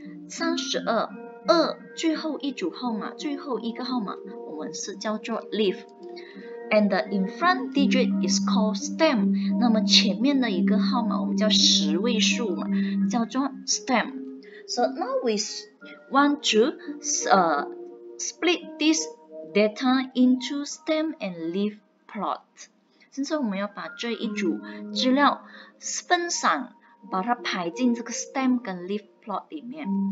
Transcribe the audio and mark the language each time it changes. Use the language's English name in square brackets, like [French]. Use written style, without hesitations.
[Chinese] 32, 2, 最后一组号码，最后一个号码，我们是叫做 leaf. [English] And the in front digit is called stem. [Chinese] 那么前面的一个号码我们叫十位数嘛，叫做 stem. [English] So now we want to split this data into stem and leaf plot. [Chinese] 现在我们要把这一组资料分散，把它排进这个 stem 跟 leaf plot 里面。